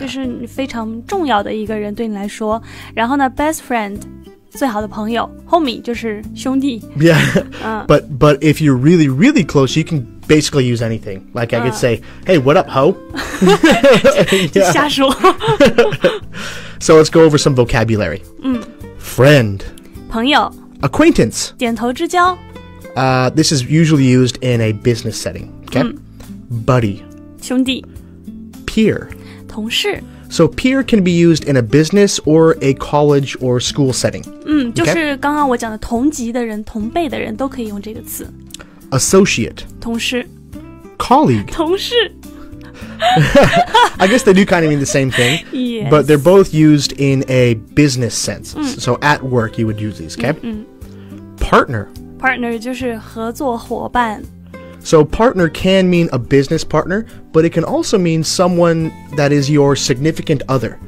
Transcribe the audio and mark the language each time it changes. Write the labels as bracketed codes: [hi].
[zh] 就是非常重要的一个人对你来说。然后呢 best friend, 最好的朋友 homie 就是兄弟。 [en] Yeah, but if you're really, really close, you can basically use anything. Like I could say, hey, what up, ho? [zh] 就瞎说。 [en] So let's go over some vocabulary. Friend. [zh] 朋友 [en] Acquaintance. [zh] 点头之交 [en] This is usually used in a business setting. Okay. Buddy. [zh] 兄弟 [en] Peer. [zh] 同事 [en] So peer can be used in a business or a college or school setting. [zh] 就是刚刚我讲的同级的人同辈的人都可以用这个词 [en] Associate. [zh] 同事 [en] Colleague. [zh] 同事 [en] I guess they do kind of mean the same thing. Yes. But they're both used in a business sense. Mm. So at work, you would use these, okay? Mm-hmm. Partner. [zh] Partner 就是合作伙伴。 [en] So partner can mean a business partner, but it can also mean someone that is your significant other.